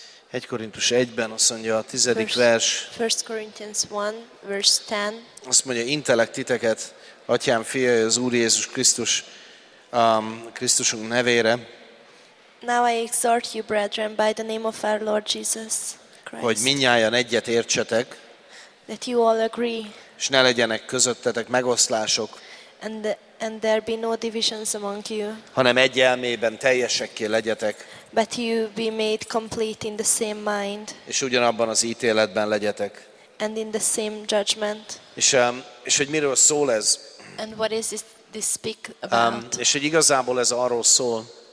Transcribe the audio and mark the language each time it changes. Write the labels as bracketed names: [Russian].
[Hungarian] 1 Korintus 1-ben, azt mondja a 10. vers. [English] 1 Corinthians 1, verse 10. [Hungarian] Azt mondja, intelek titeket, Atyám fia, az Úr Jézus Krisztus, Krisztusunk nevére. [English] Now I exhort you, brethren, by the name of our Lord Jesus Christ. [Hungarian] Hogy mindnyájan egyet értsetek. [English] That you all agree. [Hungarian] És ne legyenek közöttetek megoszlások. [English] And there be no divisions among you. [Hungarian] Hanem egy elmében teljesekké legyetek. [English] But you be made complete in the same mind. [Hungarian] És ugyanabban az ítéletben legyetek. [English] And in the same judgment. [Hungarian] És hogy miről szól ez? [English] And what is this speak about? [Hungarian] És hogy igazából ez arról szól.